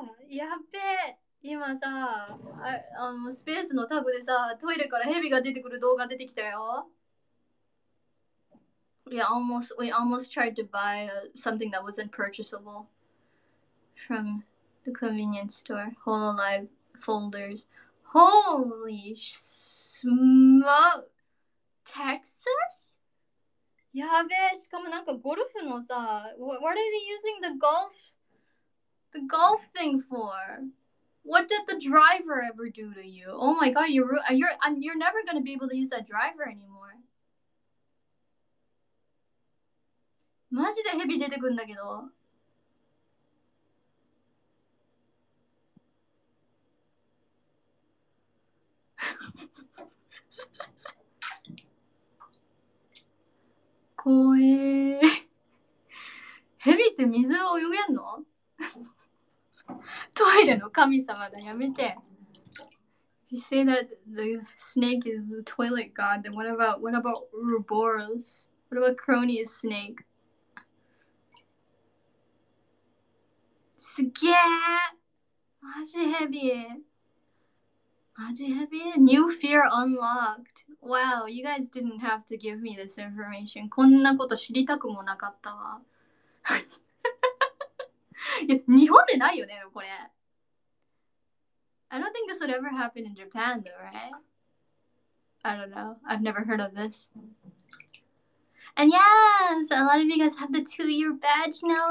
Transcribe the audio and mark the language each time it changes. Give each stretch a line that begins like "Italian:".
Japanese: やっべえ、今さ、スペースのタグでさ、トイレからヘビが出てくる動画出てきたよ。
English: We almost tried to buy something that wasn't purchasable from the convenience store. Hololive folders. Holy smoke! Texas?
Japanese: やべえ、しかもなんかゴルフのさ、
English: What are they using the golf? The golf thing for? What did the driver ever do to you? Oh my god, you're never gonna be able to use that driver anymore.
Japanese: マジでヘビ出てくんだけど。怖え。ヘビって水を泳げんの？トイレの神様だ、やめて。
English: You say that the snake is the toilet god, then what about Ouroboros? What about Crony's snake?
Japanese: すげえ。マジヘビー。マジヘビー。
English: New fear unlocked. Wow, you guys didn't have to give me this information.
Japanese: こんなこと知りたくもなかったわ。いや、日本でないよね、これ。
English: I don't think this would ever happen in Japan, though, right? I don't know. I've never heard of this. And yes, a lot of you guys have the 2-year badge now.